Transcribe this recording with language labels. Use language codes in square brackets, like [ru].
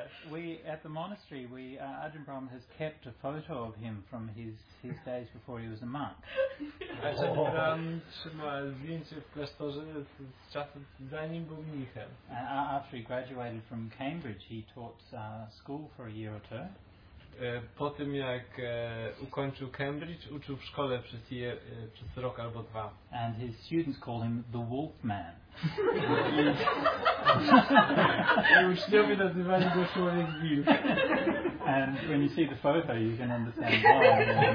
[en] We at the monastery, Ajahn Brahm has kept a photo of him from his days before he was a monk. [pl] Ajahn Brahm trzyma zdjęcie w klasztorze z czasu zanim był mnichem. [en] After he graduated from Cambridge, he taught school for a year or two. [pl] Po tym jak ukończył Cambridge, uczył w szkole przez rok albo dwa. [en] And his students call him the Wolf Man. [pl] I uczniowie nazywali go Człowiek Wilk. [en] And when you see the photo, you can understand why.